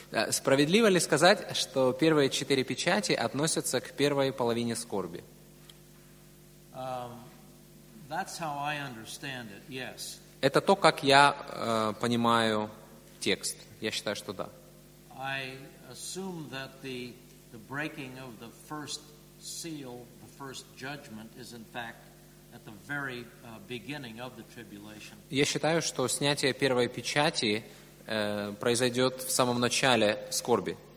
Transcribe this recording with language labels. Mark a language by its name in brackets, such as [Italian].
[Russian] Справедливо ли сказать, что первые четыре печати относятся к первой половине скорби? [English] That's how I understand it, yes. [Russian] Это то, как я понимаю текст. Я считаю, что да. [English] Assume that the breaking of the first seal, the first judgment, is in fact at the very beginning of the tribulation. [Russian] Я считаю, что снятие первой печати произойдет в самом начале скорби.